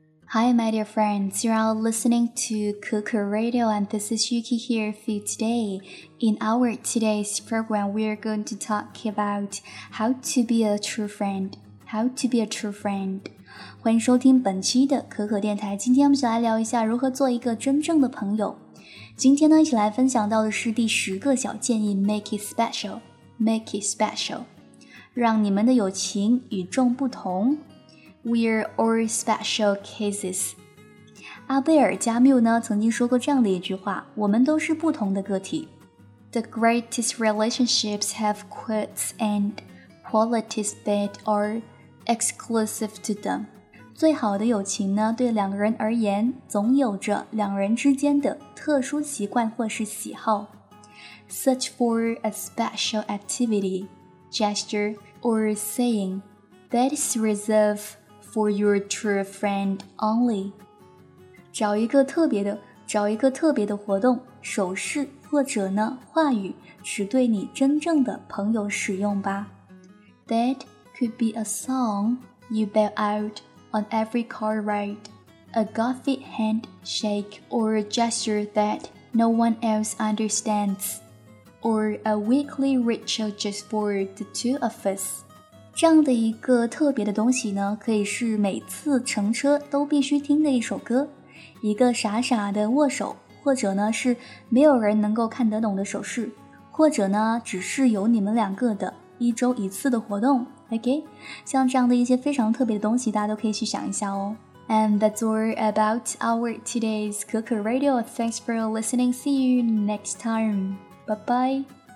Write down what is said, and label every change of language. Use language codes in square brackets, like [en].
[en] Hi, my dear friends, you are listening to Cuckoo Radio, and this is Yuki here for you today. In our today's program, we are going to talk about how to be a true friend. How to be a true friend. [zh] 欢迎收听本期的可可电台，今天我们就来聊一下如何做一个真正的朋友。今天呢，一起来分享到的是第十个小建议， [en] Make it special. Make it special. [zh] 让你们的友情与众不同。 [en] We're all special cases. [zh] 阿贝尔·加缪呢曾经说过这样的一句话，我们都是不同的个体。 [en] The greatest relationships have quirks and qualities that are exclusive to them. [zh] 最好的友情呢，对两个人而言，总有着两人之间的特殊习惯或是喜好。 [en] Search for a special activity, gesture, or saying that is reserved. For your true friend only. [zh] 找一个特别的活动，手势或者呢话语，只对你真正的朋友使用吧。 [en] That could be a song you belt out on every car ride, a gothic handshake or a gesture that no one else understands, or a weekly ritual just for the two of us. [zh] 这样的一个特别的东西呢，可以是每次乘车都必须听的一首歌，一个傻傻的握手，或者呢是没有人能够看得懂的手势，或者呢只是有你们两个的一周一次的活动。 OK， 像这样的一些非常特别的东西，大家都可以去想一下哦。 [en] And that's all about our today's Cuckoo Radio. Thanks for listening. See you next time. Bye bye.